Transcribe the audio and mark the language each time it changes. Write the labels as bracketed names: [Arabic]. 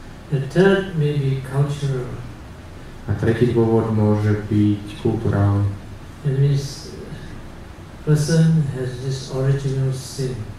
[English] The third may be cultural. [Slovak] A tretí dôvod môže byť kulturálny. [English] That means person has this original sin.